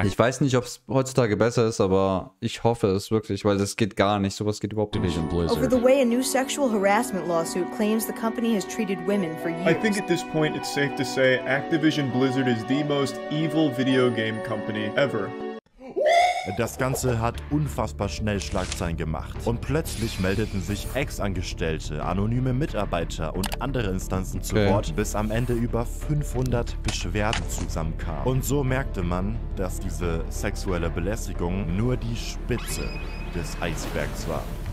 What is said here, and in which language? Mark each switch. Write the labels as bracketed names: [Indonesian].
[German] Ich weiß nicht, ob es heutzutage besser ist, aber ich hoffe es wirklich, weil das geht gar nicht. Sowas geht überhaupt nicht. [English] Over the way, a new sexual harassment lawsuit claims the company has treated women for years. I think at this point it's safe to say Activision Blizzard is the most evil video game company ever. [German] Das Ganze hat unfassbar schnell Schlagzeilen gemacht. Und plötzlich meldeten sich Ex-Angestellte, anonyme Mitarbeiter und andere Instanzen zu Wort, bis am Ende über 500 Beschwerden zusammenkamen. Und so merkte man, dass diese sexuelle Belästigung nur die Spitze des Eisbergs war.